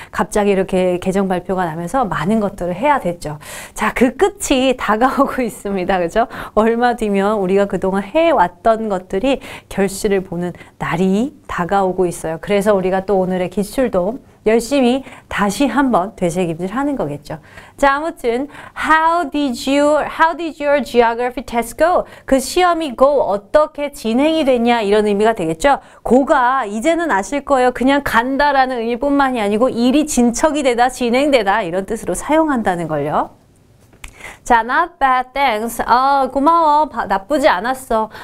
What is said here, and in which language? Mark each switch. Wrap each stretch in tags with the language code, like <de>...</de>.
<ko>갑자기 이렇게 개정 발표가 나면서 많은 것들을 해야 됐죠. 자, 그 끝이 다가오고 있습니다. 그죠? 얼마 뒤면 우리가 그동안 해왔던 것들이 결실을 보는 날이 다가오고 있어요. 그래서 우리가 또 오늘의 기출도 열심히 다시 한번 되새김질 하는 거겠죠. 자, 아무튼</ko> <en>how did your geography test go?</en> <ko>그 시험이 go 어떻게 진행이 됐냐 이런 의미가 되겠죠. go가 이제는 아실 거예요. 그냥 간다라는 의미뿐만이 아니고 일이 진척이 되다, 진행되다 이런 뜻으로 사용한다는 걸요. 자,</ko> <en>not bad, thanks.</en> <ko>아, 고마워. 나쁘지 않았어.</ko>